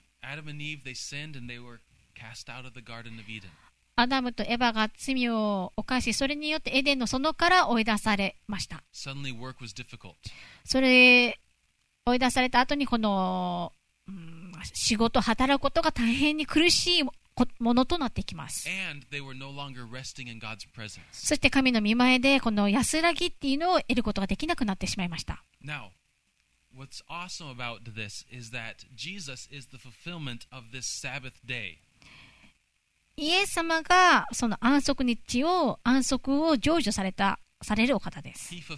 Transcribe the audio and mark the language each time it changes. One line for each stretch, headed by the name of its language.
English: Adam and Eve, they sinned and they were cast out of the Garden of Eden.
Japanese: アダムとエヴァが罪を犯し、それによってエデンの園から追い出されました。
English: Suddenly work was difficult.
Japanese: それ、追い出された後にこの、仕事、働くことが大変に苦しいものとなっていきます。
English: And they were no longer resting in God's presence.
Japanese: そして神の御前でこの安らぎっていうのを得ることができなくなってしまいました。
English: Now, what's awesome about this is that Jesus is the fulfillment of this Sabbath day.
Japanese: イエス様がその安息日を安息を成就されるお方です。